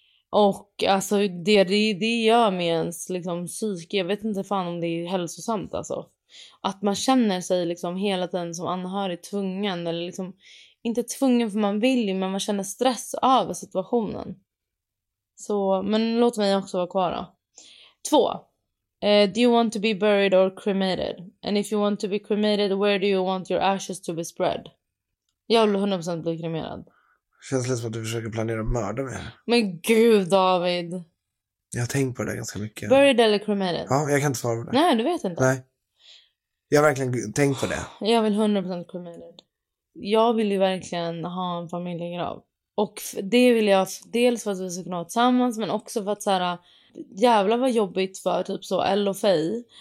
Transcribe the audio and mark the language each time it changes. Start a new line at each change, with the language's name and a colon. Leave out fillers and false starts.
Swedish: Och alltså det gör med ens liksom psyke. Jag vet inte fan om det är hälsosamt alltså. Att man känner sig liksom hela tiden som anhörig tvungen. Eller liksom inte tvungen för man vill ju, men man känner stress över situationen. Så, men låt mig också vara kvar då. 2.
English: Do you want to be buried or cremated? And if you want to be cremated, where do you want your ashes to be spread?
Swedish: Jag vill 100% bli kremerad. Känns det som att du försöker planera att mörda mig. Men gud, David. Jag har tänkt på det ganska mycket.
English: Buried eller cremated?
Swedish: Ja, jag kan inte svara på det. Nej, du vet inte. Nej. Jag har verkligen tänkt på det. Jag vill 100% cremated. Jag vill ju verkligen ha en familjegrav. Och det vill jag dels för att vi ska kunna ha tillsammans, men också för att så här, jävla vad jobbigt för typ så L och Fej.